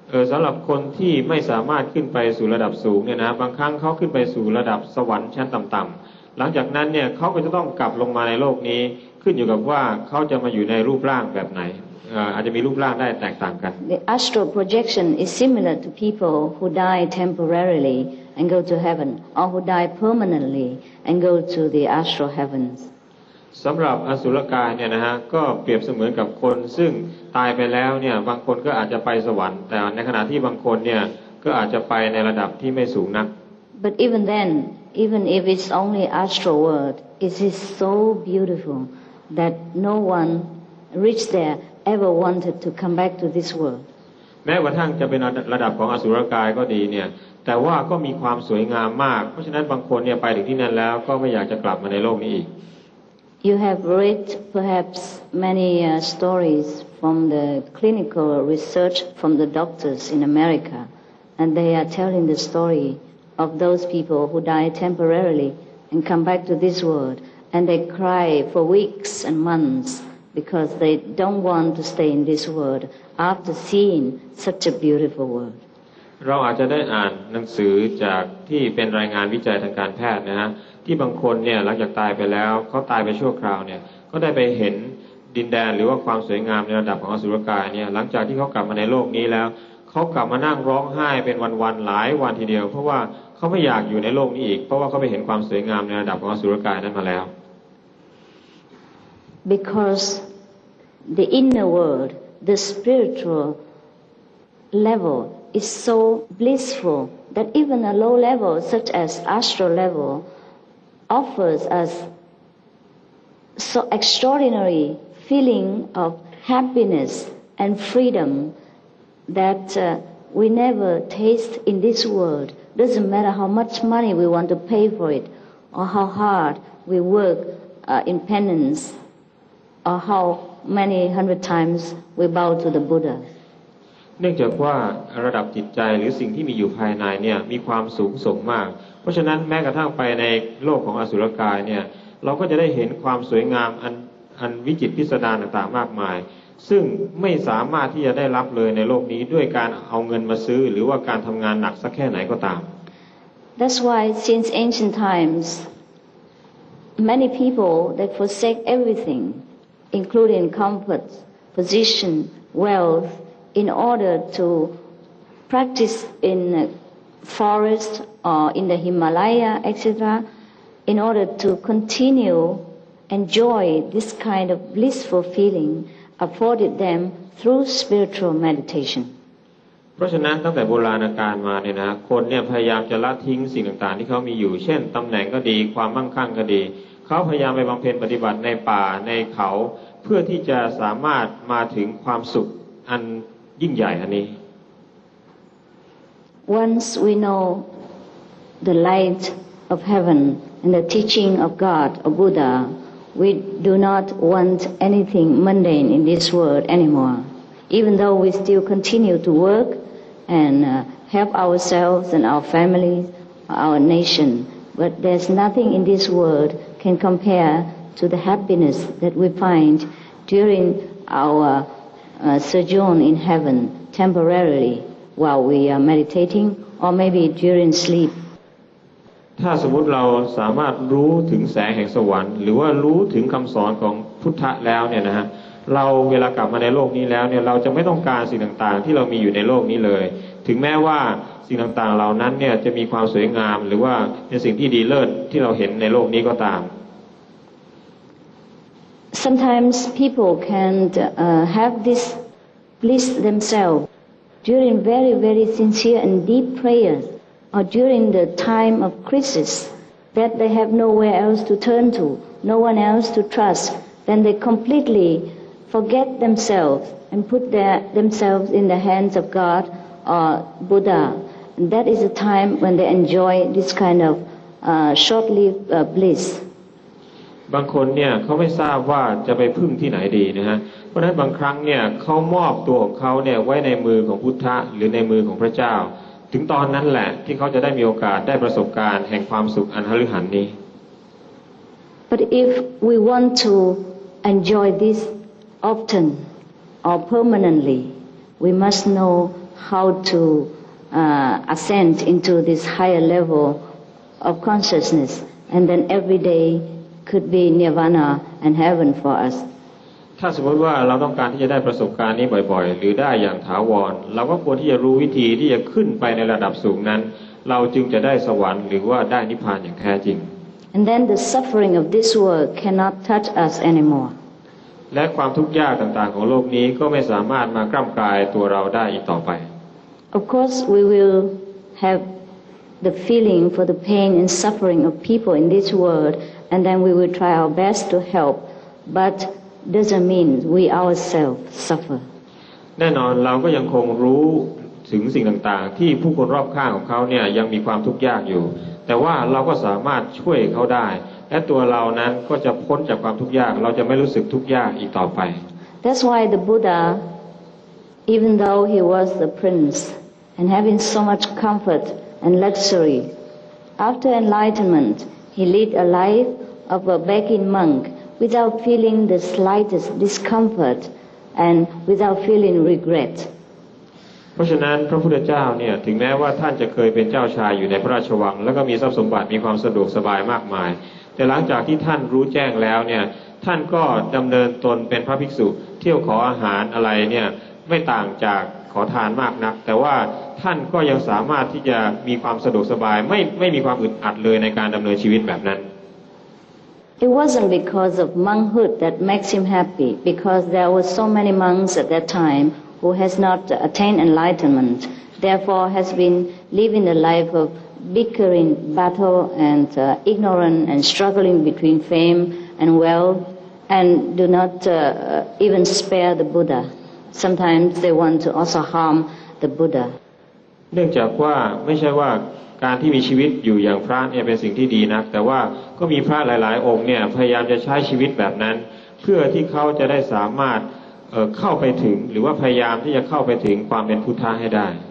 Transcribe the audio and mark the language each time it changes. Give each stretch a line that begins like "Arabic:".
Thai: สำหรับคนที่ไม่สามารถขึ้นไปสู่ระดับสูงเนี่ยนะบางครั้งเขาขึ้นไปสู่ระดับสวรรค์ชั้นต่ำๆหลังจากนั้นเนี่ยเขาก็จะต้องกลับลงมาในโลกนี้ขึ้นอยู่กับว่าเขาจะมาอยู่ในรูปร่างแบบไหนอาจจะมีรูปร่างได้แตกต่างกัน
English: The astral projection is similar to people who die temporarily and go to heaven, or who die permanently and go to the astral heavens.
Thai: สำหรับอสุรกายเนี่ยนะฮะก็เปรียบเสมือนกับคนซึ่งตายไปแล้วเนี่ยบางคนก็อาจจะไปสวรรค์แต่ในขณะที่บางคนเนี่ยก็อาจจะไปในระดับที่ไม่สูงนัก
English: But even then even if it's only astral world it is so beautiful that no one reached there ever wanted to come back to this world
Thai: แม้กระทั่งจะเป็นระดับของอสุรกายก็ดีเนี่ยแต่ว่าก็มีความสวยงามมากเพราะฉะนั้นบางคนเนี่ยไปถึงที่นั่นแล้วก็ไม่อยากจะกลับมาในโลกนี้อีก
English: You have read perhaps many stories from the clinical research from the doctors in America, and they are telling the story of those people who die temporarily and come back to this world, and they cry for weeks and months because they don't want to stay in this world after seeing such a beautiful world.
Thai: เราอาจจะได้อ่านหนังสือจากที่เป็นรายงานวิจัยทางการแพทย์นะฮะที่บางคนเนี่ยหลังจากตายไปแล้วเขาตายไปชั่วคราวเนี่ยก็ได้ไปเห็นดินแดนหรือว่าความสวยงามในระดับของอสุรกายเนี่ยหลังจากที่เขากลับมาในโลกนี้แล้วเขากลับมานั่งร้องไห้เป็นวันๆหลายวันทีเดียวเพราะว่าเขาไม่อยากอยู่ในโลกนี้อีกเพราะว่าเขาไปเห็นความสวยงามในระดับของอสุรกายนั้นมาแล้ว
English: Because the inner world the spiritual level is so blissful that even a low level such as astral leveloffers us so extraordinary feeling of happiness and freedom that we never taste in this world. Doesn't matter how much money we want to pay for it or how hard we work in penance or how many hundred times we bow to the Buddha.
Thai: เนื่องจากว่าระดับจิตใจหรือสิ่งที่มีอยู่ภายในเนี่ยมีความสูงส่งมากเพราะฉะนั้นแม้กระทั่งไปในโลกของอสุรกายเนี่ยเราก็จะได้เห็นความสวยงามอันวิจิตรพิสดารต่างๆมากมายซึ่งไม่สามารถที่จะได้รับเลยในโลกนี้ด้วยการเอาเงินมาซื้อหรือว่าการทำงานหนักสักแค่ไหนก็ตาม
English: That's why since ancient times many people they forsake everything including comfort position wealthin order to practice in the forest or in the Himalaya, etc., in order to continue enjoy this kind of blissful feeling afforded them through spiritual meditation.
Thai: เพราะฉะนั้นตั้งแต่โบราณกาลมาเนี่ยนะคนเนี่ยพยายามจะละทิ้งสิ่งต่างๆที่เขามีอยู่เช่นตำแหน่งก็ดีความมั่งคั่งก็ดีเขาพยายามไปบำเพ็ญปฏิบัติในป่าในเขาเพื่อที่จะสามารถมาถึงความสุขอันยิ่งใหญ่อันนี้
English: Once we know the light of heaven and the teaching of God or Buddha we do not want anything mundane in this world anymore even though we still continue to work and help ourselves and our families our nation but there's nothing in this world can compare to the happiness that we find during oursojourn in heaven temporarily while we are meditating or maybe during sleep
Thai: ถ้าสมมุติเราสามารถรู้ถึงแสงแห่งสวรรค์หรือว่ารู้ถึงคำสอนของพุทธะแล้วเนี่ยนะฮะ เราเวลากลับมาในโลกนี้แล้วเนี่ยเราจะไม่ต้องการสิ่งต่างๆที่เรามีอยู่ในโลกนี้เลยถึงแม้ว่าสิ่งต่างๆเหล่านั้นเนี่ยจะมีความสวยงามหรือว่าเป็นสิ่งที่ดีเลิศที่เราเห็นในโลกนี้ก็ตาม
English: Sometimes people can have this bliss themselves during very very sincere and deep prayers or during the time of crisis that they have nowhere else to turn to no one else to trustthen they completely forget themselves and put themselves in the hands of God or Buddha. And that is a time when they enjoy this kind of short-lived bliss.
Thai: บางคนเนี่ยเขาไม่ทราบว่าจะไปพึ่งที่ไหนดีนะฮะเพราะนั้นบางครั้งเนี่ยเขามอบตัวของเขาเนี่ยไว้ในมือของพุทธะหรือในมือของพระเจ้าถึงตอนนั้นแหละที่เขาจะได้มีโอกาสได้ประสบการณ์แห่งความสุขอันหฤหรรษ์นี้
English: But if we want to enjoy this often or permanently, we must know how to ascend into this higher level of consciousness, and then every day could be nirvana and heaven for us.
Thai: ถ้าสมมติว่าเราต้องการที่จะได้ประสบการณ์นี้บ่อยๆหรือได้อย่างถาวรเราก็ควรที่จะรู้วิธีที่จะขึ้นไปในระดับสูงนั้นเราจึงจะได้สวรรค์หรือว่าได้นิพพานอย่างแท้จริง
English: And then the suffering of this world cannot touch us anymore.
Thai: และความทุกข์ยากต่างๆของโลกนี้ก็ไม่สามารถมากล้ำกลายตัวเราได้อีกต่อไป
English: Of course, we will have the feeling for the pain and suffering of people in this world, and then we will try our best to help. But doesn't mean we ourselves suffer.
Thai: แน่นอนเราก็ยังคงรู้ถึงสิ่งต่างๆที่ผู้คนรอบข้างของเขาเนี่ยยังมีความทุกข์ยากอยู่แต่ว่าเราก็สามารถช่วยเขาได้และตัวเรานั้นก็จะพ้นจากความทุกข์ยากเราจะไม่รู้สึกทุกข์ยากอีกต่อไป
English: That's why the Buddha even though he was the prince and having so much comfort and luxury after enlightenment he led a life of a begging monk without feeling the slightest discomfort and without feeling regret
Thai: เพราะฉะนั้นพระพุทธเจ้าเนี่ยถึงแม้ว่าท่านจะเคยเป็นเจ้าชายอยู่ในพระราชวังแล้วก็มีทรัพย์สมบัติมีความสะดวกสบายมากมายแต่หลังจากที่ท่านรู้แจ้งแล้วเนี่ยท่านก็ดำเนินตนเป็นพระภิกษุเที่ยวขออาหารอะไรเนี่ยไม่ต่างจากขอทานมากนักแต่ว่าท่านก็ยังสามารถที่จะมีความสะดวกสบายไม่มีความอึดอัดเลยในการดำเนินชีวิตแบบนั้น
English: It wasn't because of monkhood that makes him happy because there were so many monks at that timewho has not attained enlightenment, therefore has been living a life of bickering, battle, and ignorant, and struggling between fame and wealth, and do not even spare the Buddha. Sometimes they want to also harm the Buddha.
Thai: เนื่องจากว่าไม่ใช่ว่าการที่มีชีวิตอยู่อย่างพระเนี่ยเป็นสิ่งที่ดีนักแต่ว่าก็มีพระหลายๆองค์เนี่ยพยายามจะใช้ชีวิตแบบนั้นเพื่อที่เขาจะได้สามารถเข้าไปถึงหรือว่าพยายามที่จะเข้าไปถึงความเป็นพุทธะให้ได้